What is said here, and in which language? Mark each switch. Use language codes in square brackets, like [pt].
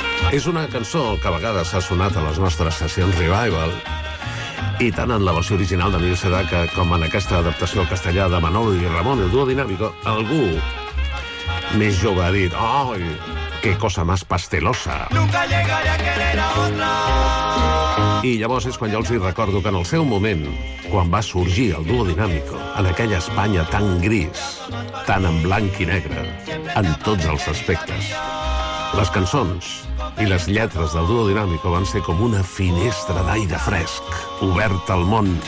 [ca] És una cançó que a vegades ha sonat a les nostres sessions Revival, i tant en la versió original de Nil Sedaka com en aquesta adaptació al castellà de Manolo i Ramon, el duo dinàmico, algú més jove ha dit: "Ai, [es] que cosa más pastelosa". Nunca llegaré a querer a otra. [ca] I llavors és quan jo els hi recordo que en el seu moment, quan va sorgir el duo dinàmico, en aquella Espanya tan gris, tan en blanc i negre, en tots els aspectes, les cançons i les lletres del duo dinàmico van ser com una finestra d'aire fresc, oberta al món.